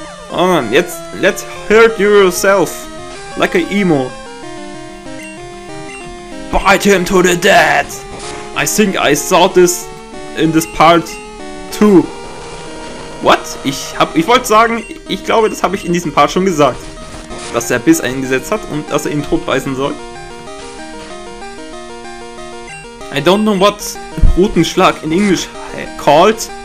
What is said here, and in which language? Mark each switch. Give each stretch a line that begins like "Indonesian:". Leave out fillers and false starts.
English: Oh man, let's hurt yourself like a emo. Bite him to the dead! I think I saw this in this part too. What?
German: Ich wollte sagen, ich glaube, das habe ich in diesem Part schon gesagt. Dass er Biss eingesetzt hat und dass er ihn totbeißen soll.
English: I don't know what Rutenschlag in English called.